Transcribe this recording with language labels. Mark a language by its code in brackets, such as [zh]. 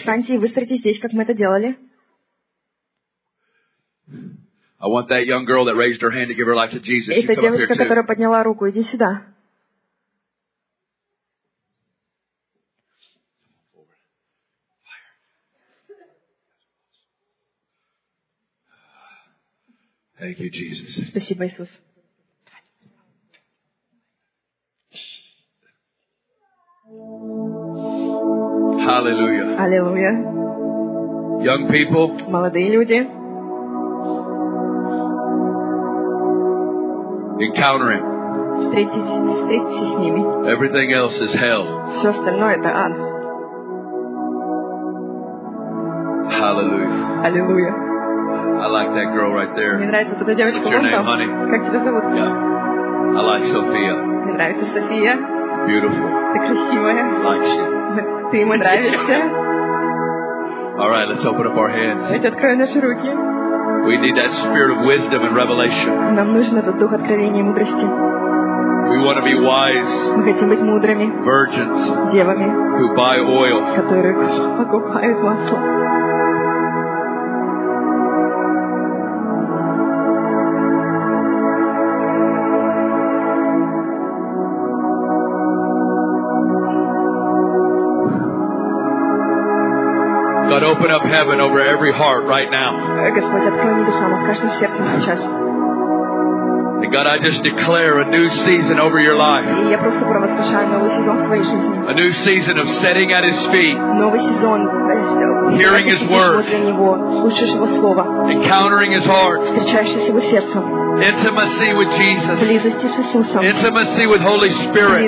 [ru] Встаньте и выстроитесь здесь, как мы это делали. [en] I want that young girl that raised her hand to give her life to Jesus. You come [ru] девушка, [en] up here too. [ru] Которая подняла руку, иди сюда. [en] Thank you, Jesus. [ru] Спасибо, Иисус. [en] Hallelujah. [ru] Аллилуйя. [en] Young people. [ru] Молодые люди. [en] Encounter him. [ru] Встретитесь с ними. [en] Everything else is hell. [ru] Все остальное это ад. [en] Hallelujah. [ru] Аллилуйя. [en] I like that girl right there. [ru] Мне нравится эта девочка. [en] What's your name, honey? [ru] Как тебя зовут? [en] Yeah. I like Sophia. [ru] Мне нравится София. [en] Beautiful. [ru] Ты красивая. [en] Like she. [ru] Ты ему нравишься. [en] All right, let's open up our hands. [ru] Давайте откроем наши руки. [en] We need that spirit of wisdom and revelation. [ru] Нам нужен этот дух откровения и мудрости. [en] We want to be wise. [ru] Мы хотим быть мудрыми. [en] Virgins. [ru] Девами. [en] Who buy oil. [ru] Которые покупают масло. [en] God, open up heaven over every heart right now. [ru] Господь, открой небеса над каждым сердцем сейчас. [en] And God, I just declare a new season over your life. [ru] И я просто провозглашаю новый сезон в твоей жизни. [en] A new season of sitting at His feet. [ru] Новый сезон. [en] Hearing His word. [ru] Слушаешь Его слово. [en] Encountering His heart. [ru] Встречаешься с Его сердцем. [en] Intimacy with Jesus. [ru] Близости с Иисусом. [en] Intimacy with Holy Spirit.